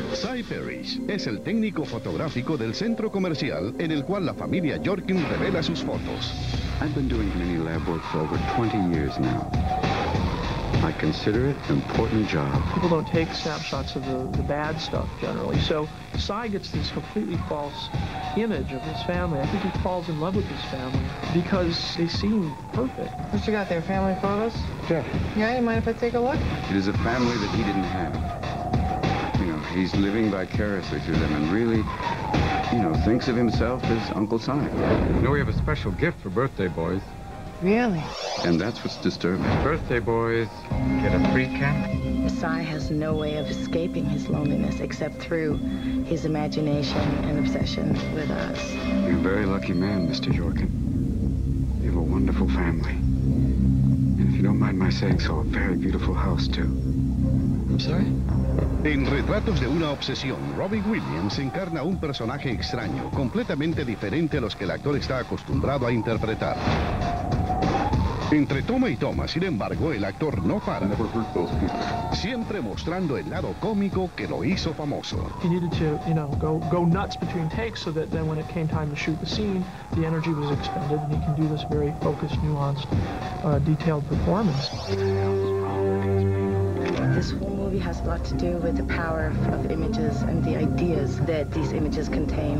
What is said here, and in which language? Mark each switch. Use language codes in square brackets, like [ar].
[es] Cy Parrish es el técnico fotográfico del centro comercial en el cual la familia Yorkin revela sus fotos. [en] I've been doing mini lab work for over 20 years now. I consider it an important job. People don't take snapshots of the bad stuff generally. So Cy gets this completely false image of his family. I think he falls in love with his family because they seem perfect. What you got there, family photos? Yeah. Yeah, you mind if I take a look? It is a family that he didn't have. You know, he's living vicariously through them and really, you know, thinks of himself as Uncle Cy. You know, we have a special gift for birthday boys. Really? And that's what's disturbing. Birthday boys get a free candy. Cy has no way of escaping his loneliness except through his imagination and obsession with us. You're a very lucky man, Mr. Yorkin. You have a wonderful family. And if you don't mind my saying so, a very beautiful house, too. I'm sorry? [es] En Retratos de una Obsesión, Robin Williams encarna un personaje extraño, completamente diferente a los que el actor está acostumbrado a interpretar. Entre toma y toma, sin embargo, el actor no para, siempre mostrando el lado cómico que lo hizo famoso. [en] He needed to, you know, go nuts between takes so that then when it came time to shoot the scene, the energy was expended and he can do this very focused, nuanced, detailed performance. This whole movie movie has a lot to do with the power of images and the ideas that these images contain.